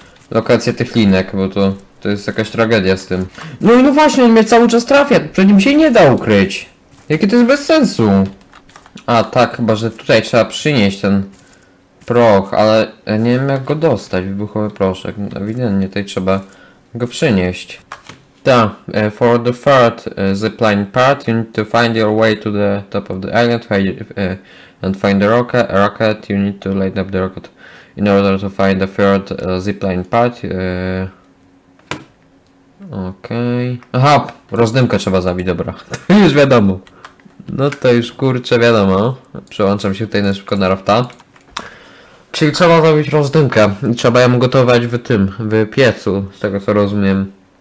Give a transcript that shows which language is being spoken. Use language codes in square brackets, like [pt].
[pl] Lokacje tych linek, bo to jest jakaś tragedia z tym. No właśnie, on mnie cały czas trafia, przed nim się nie da ukryć. Jakie to jest bez sensu. A tak, chyba że tutaj trzeba przynieść ten proch, ale nie wiem, jak go dostać, wybuchowy proszek. Ewidentnie tutaj trzeba go przynieść. [en] For the third zipline part, you need to find your way to the top of the island and find the rocket. You need to light up the rocket in order to find the third zipline part. [pl] Okej. Okay. Aha, rozdymkę trzeba zabić, dobra. Już wiadomo. No to już kurczę wiadomo. Przełączam się tutaj na szybko na rafta. Czyli trzeba zrobić rozdymkę i trzeba ją gotować w tym, w piecu, z tego co rozumiem.